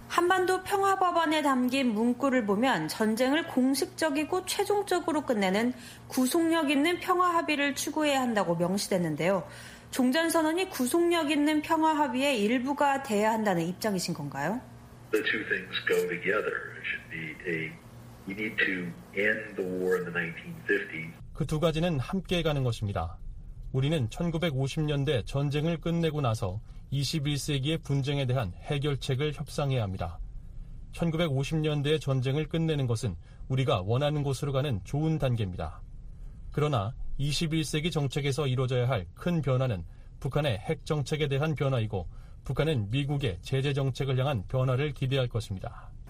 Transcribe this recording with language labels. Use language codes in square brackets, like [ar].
[ko] 한반도 평화법안에 담긴 문구를 보면 전쟁을 공식적이고 최종적으로 끝내는 구속력 있는 평화 합의를 추구해야 한다고 명시됐는데요. 종전선언이 구속력 있는 평화 합의의 일부가 돼야 한다는 입장이신 건가요? [en] The two things go together. It should be a you need to end the war in the 1950s. [ko] 그 두 가지는 함께 가는 것입니다. 우리는 1950년대 전쟁을 끝내고 나서 21세기의 분쟁에 대한 해결책을 협상해야 합니다. 1950년대의 전쟁을 끝내는 것은 우리가 원하는 곳으로 가는 좋은 단계입니다. 그러나 21세기 정책에서 이루어져야 할 큰 변화는 북한의 핵 정책에 대한 변화이고 북한은 미국의 제재 정책을 향한 변화를 기대할 것입니다.